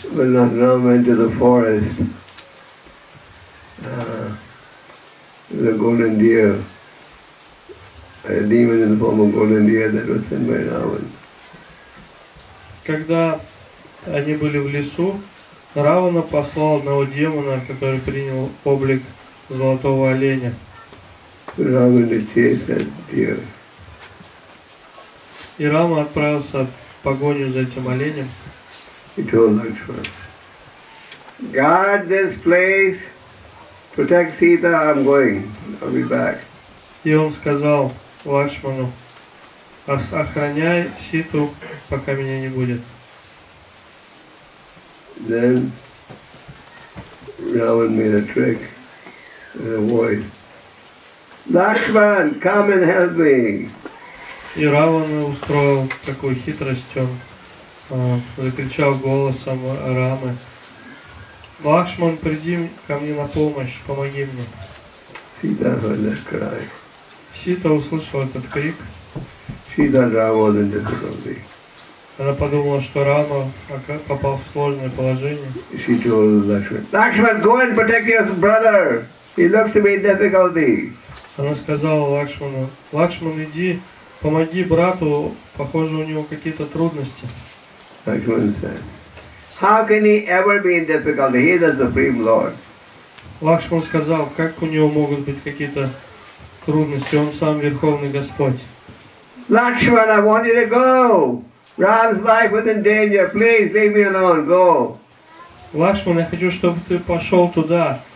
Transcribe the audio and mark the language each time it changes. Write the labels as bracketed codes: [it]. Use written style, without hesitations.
[en] When Ram went to the forest, the golden deer, a demon in the form of golden deer that was sent by Ravan. [ru] Когда они были в лесу, Равана послал одного демона, который принял облик золотого оленя. [en] Равана chased that deer. [ru] И Рама отправился в погоню за этим оленем. [en] He told Lakshmana, guard this place, protect Sita, I'm going, I'll be back. [ru] И он сказал Лакшману, охраняй Ситу, пока меня не будет. [en] Then Ravan made a trick with a voice. Lakshman, come and help me. [ru] И Раван устроил такую хитрость, он закричал голосом Рамы. Лакшман, приди ко мне на помощь, помоги мне. [en] Sita heard that cry. [ru] Сита услышал этот крик. [en] Sita was in difficulty. [ru] Она подумала, что Рама попал в сложное положение. [en] She told Lakshman, Lakshman, go and protect your brother. He looks to be in difficulty. [ru] Она сказала Лакшману, Лакшман, иди, помоги брату, похоже, у него какие-то трудности. [en] Lakshman said, how can he ever be in difficulty? He is the Supreme Lord. [ru] Лакшман сказал, как у него могут быть какие-то трудности, он сам Верховный Господь. [en] Lakshman, I want you to go. Ram's life is in danger. Please leave me alone. Go. [ru] Лакшман, я хочу, чтобы ты пошел туда.